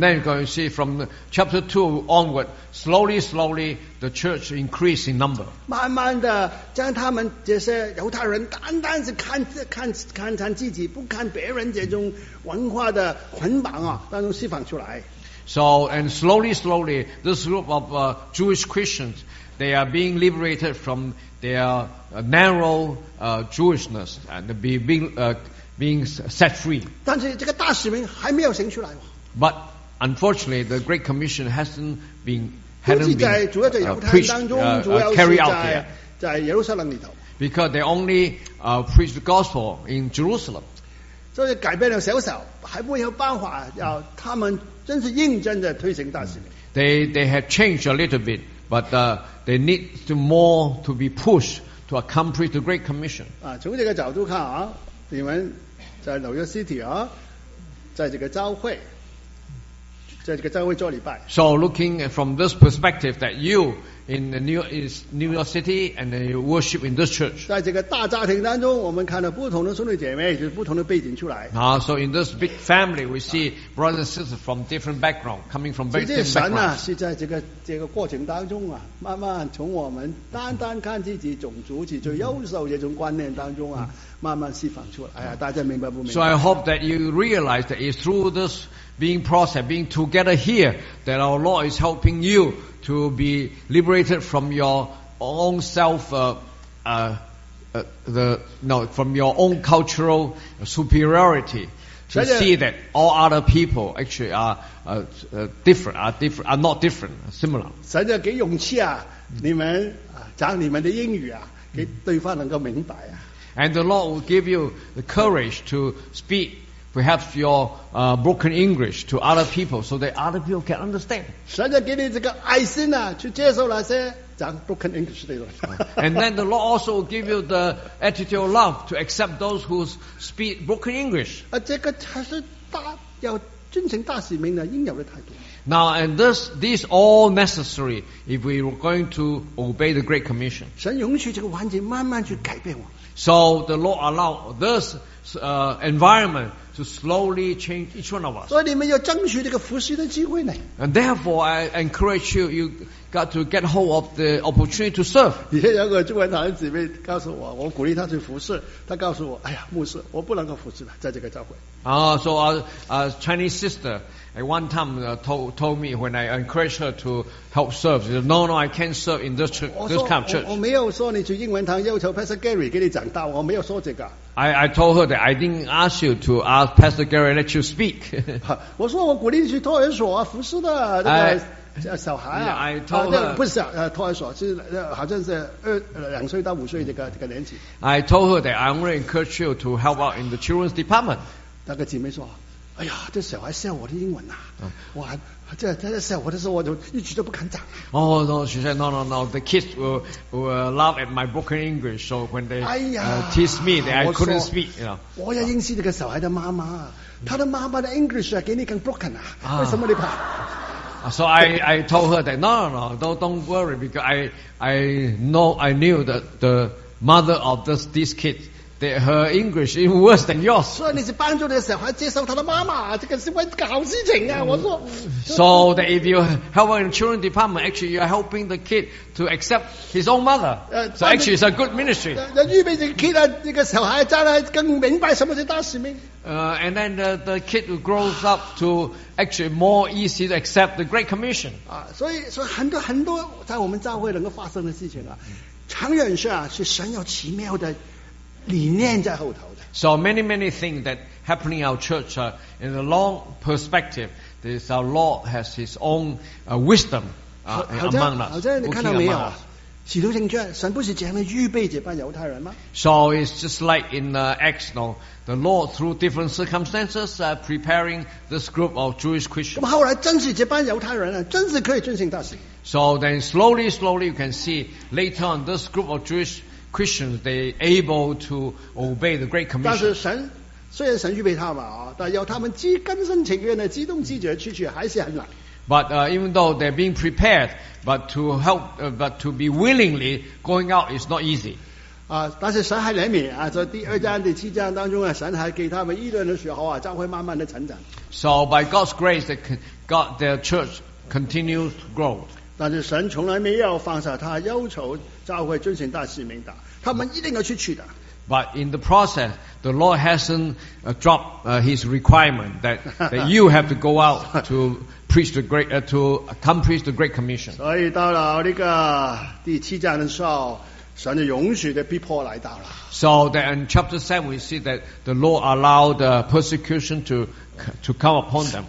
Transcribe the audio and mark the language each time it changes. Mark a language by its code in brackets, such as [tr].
[en] then you can see from chapter 2 onward, slowly the church increased in number. [zh] 慢慢的将他们这些犹太人单单是看自己，不看别人这种文化的捆绑啊，当中释放出来。 [en] So, and slowly, this group of Jewish Christians, they are being liberated from their narrow Jewishness and being set free. [zh] 但是这个大使命还没有行出来哦。 [en] But unfortunately, the Great Commission hasn't been carried out yet. Because they only preach the gospel in Jerusalem. [zh] 所以改变了小小，还没有办法要他们真是认真的推行大使命。 [en] They have changed a little bit, but they need to more to be pushed to accomplish the Great Commission. [zh] 啊，从这个角度看啊，你们在纽约 City 啊，在这个教会，在这个教会做礼拜。 [en] So looking from this perspective, that you in the New York City and you worship in this church. [zh] 在这个大家庭当中，我们看到不同的兄弟姐妹，就是不同的背景出来。 [en] 啊 ，So in this big family, we see brothers and sisters from different background, coming from very different backgrounds. [zh] 神呢，是在这个过程当中啊，慢慢从我们单单看自己种族是最优秀这种观念当中啊。慢慢释放出来，哎呀，大家明白不明白？ [en] So I hope that you realize that it's through this being processed, being together here, that our Lord is helping you to be liberated from your own self, from your own cultural superiority, to see that all other people actually are not different, similar. [zh] 神就给勇气啊，你们讲你们的英语啊，给对方能够明白啊。 [en] And the Lord will give you the courage to speak perhaps your broken English to other people so that other people can understand. [zh] 神就给你这个爱心啊，去接受那些讲 [en] broken English [zh] 的人。 [en] And then the Lord also will give you the attitude of love to accept those who speak broken English. [zh] 啊，这个才是大要遵循大使命的应有的态度。 [en] Now, and this all necessary if we were going to obey the Great Commission. [zh] 神允许这个环境慢慢去改变我。 [en] So the Lord allowed this environment to slowly change each one of us. [zh] 所以你们要争取这个服事的机会呢。 [en] And therefore, I encourage you, you got to get hold of the opportunity to serve. [zh] 以前有个中文堂的姊妹告诉我，我鼓励她去服事，她告诉我，哎呀，牧师，我不能够服事了，在这个教会。 [en] So a Chinese sister at one time told me when I encouraged her to help serve, she said, no, I can't serve in this kind of church. [zh] 我没有说你去英文堂要求 Pastor Gary 给你讲道，我没有说这个。 [en] I told her that I didn't ask you to ask Pastor Gary let you speak. [zh] 我说我鼓励你去托儿所啊，服事的这个小孩啊。 [en] I told her [zh] 不是托儿所，是好像是两岁到五岁这个年纪。 [en] I told her that I only encourage you to help out in the children's department. [zh] 那个姐妹说，哎呀，这小孩笑我的英文啊，我还在笑我的时候，我就一直都不敢讲。 [en] Oh no, she said, no, the kids will laugh at my broken English. So when they tease me, that I couldn't speak. You know, [zh] 我要认识这个小孩的妈妈，他的妈妈的 English 啊，给你更 broken 啊，为什么你怕？ [en] So I told her that no, don't worry because I knew that the mother of this kid. Her English is worse than yours. [zh] 说你是帮助你的小孩接受他的妈妈，这个是为这个好事情啊！我说。 [en] So that if you help in children department, actually you are helping the kid to accept his own mother. So actually, it's a good ministry. [zh] 预备这个 kid 啊，这个小孩将来更明白什么是大使命。 [en] And then the kid grows up to actually more easy to accept the Great Commission. [zh] 所以很多很多在我们教会能够发生的事情啊，长远是啊，是神有奇妙的。理念在后头的。 [en] So many things that happening in our church in the long perspective, this our Lord has His own wisdom among us. [zh] 好像你看到没有？使徒行传，神不是这样的预备这帮犹太人吗 [en] ？So it's just like in Acts, the Lord through different circumstances preparing this group of Jewish Christians. [zh] 那么后来真是这帮犹太人啊，真是可以遵行大使。 [en] So then slowly you can see later on this group of Jewish Christians, they able to obey the Great Commission. [zh] 但是神虽然神预备他们啊，但要他们自甘心情愿的、自动自觉去还是很难。 [en] But even though they're being prepared, but to help, but to be willingly going out is not easy. [zh] 但是神还怜悯啊，在第二章、第七章当中啊，神还给他们议论的时候啊，教会慢慢的成长。 [en] So by God's grace, God their church continues to grow. [zh] 但是神从来没有放下他要求教会遵循大使命的。他们一定要去取的。 [en] But in the process, the Lord hasn't dropped his requirement that you have to go out to preach the great to accomplish the Great Commission. [zh] 所以到了这个第七章的时候，神就允许的逼迫来到了。 [en] So that in chapter 7 we see that the Lord allowed the persecution to come upon them.